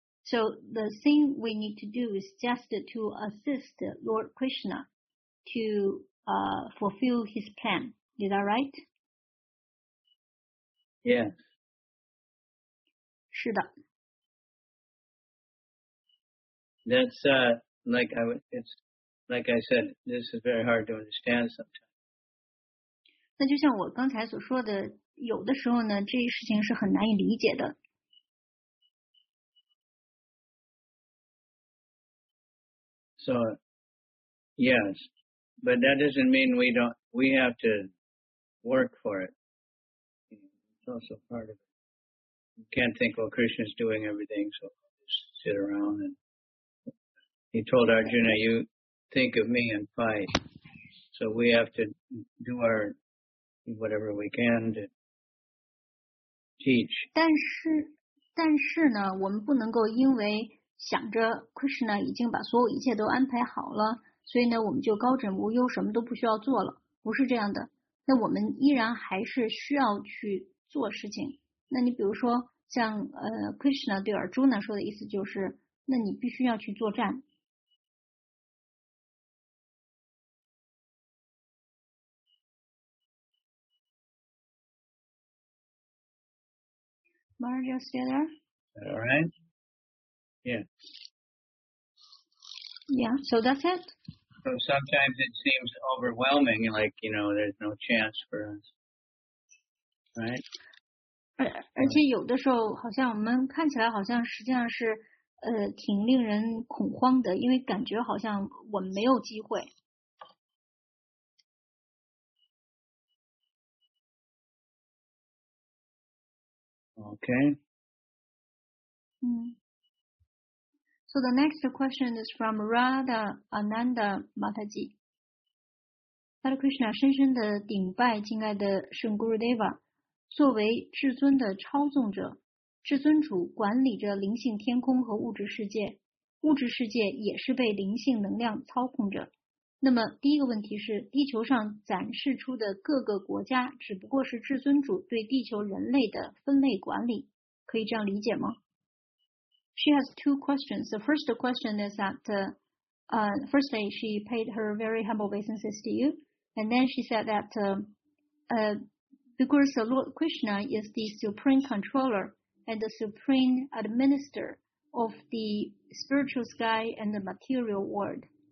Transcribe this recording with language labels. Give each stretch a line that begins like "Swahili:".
English: So the thing we need to do is just to assist Lord Krishna to fulfill his plan. Is that right? Yes.
Chinese: 是的。
English: That's like I said, this is very hard to understand sometimes.
Chinese: 那就像我刚才所说的, 有的时候呢, 这些事情是很难以理解的。
English: So, yes, but that doesn't mean we have to work for it. It's also part of it. You can't think, well, Krishna's doing everything, so just sit around. And he told Arjuna, you think of me and fight. So we have to do our whatever we can to teach.
Chinese: 但是呢，我们不能够因为 想着 Krishna 已经把所有一切都安排好了，所以呢，我们就高枕无忧，什么都不需要做了，不是这样的。那我们依然还是需要去做事情。那你比如说像Krishna 对 Arjuna 说的意思就是，那你必须要去作战。
English: Marja, stay there. All right. Yeah. Yeah, so that's it. So sometimes it seems overwhelming, like, you know, there's no chance for us. Right?
Chinese: 而且有的时候好像我们看起来好像实际上是 挺令人恐慌的, 因为感觉好像我们没有机会。 Okay. 嗯。
English: So the next question is from Radha Ananda Mataji.
Chinese: Hare Krishna, 深深地顶拜敬爱的圣 Gurudeva, 作为至尊的操纵者，至尊主管理着灵性天空和物质世界，物质世界也是被灵性能量操控着。那么第一个问题是，地球上展示出的各个国家只不过是至尊主对地球人类的分类管理，可以这样理解吗？
English: She has two questions. The first question is that, firstly, she paid her very humble obeisances to you. And then she said that, because Lord Krishna is the supreme controller and the supreme administrator of the spiritual sky and the material world.